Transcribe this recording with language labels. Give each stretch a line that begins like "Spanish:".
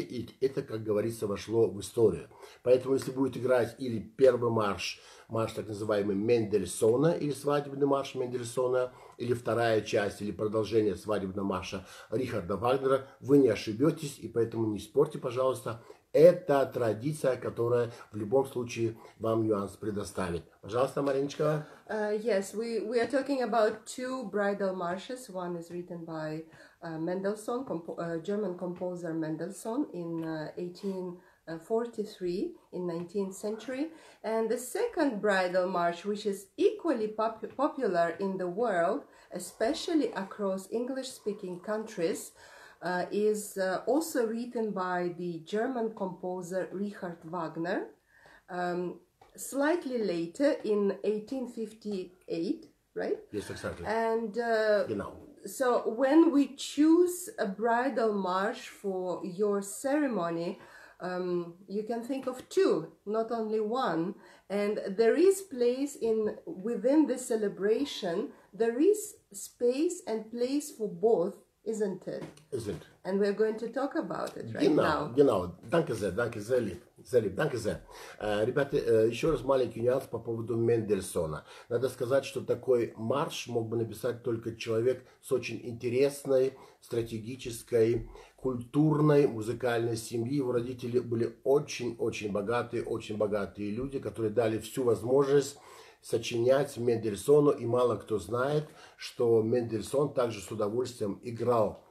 Russian: И это, как говорится, вошло в историю. Поэтому, если будет играть или первый марш, марш так называемый Мендельсона, или свадебный марш Мендельсона, или вторая часть, или продолжение свадебного марша Рихарда Вагнера, вы не ошибетесь, и поэтому не спорьте, пожалуйста. Это традиция, которая в любом случае вам нюанс предоставит. Пожалуйста, Мариночка.
English: Yes, we are talking about two bridal marches. One is written by Mendelssohn, German composer Mendelssohn in 1843, in 19th century. And the second bridal march, which is equally popular in the world, especially across English-speaking countries, is also written by the German composer Richard Wagner, slightly later, in 1858, right? Yes, exactly. And so when we choose a bridal march for your ceremony, you can think of two, not only one. And there is place in within the celebration, there is space and place for both. Isn't it? Isn't. And we're going to talk about it right
German: genau,
English: now.
German: Genau. Danke sehr, Lieb.
Russian: Залип,
German: danke sehr.
Russian: Ребята, еще раз маленький нюанс по поводу Мендельсона. Надо сказать, что такой марш мог бы написать только человек с очень интересной, стратегической, культурной, музыкальной семьей. Его родители были очень богатые люди, которые дали всю возможность сочинять Мендельсону. И мало кто знает, что Мендельсон также с удовольствием играл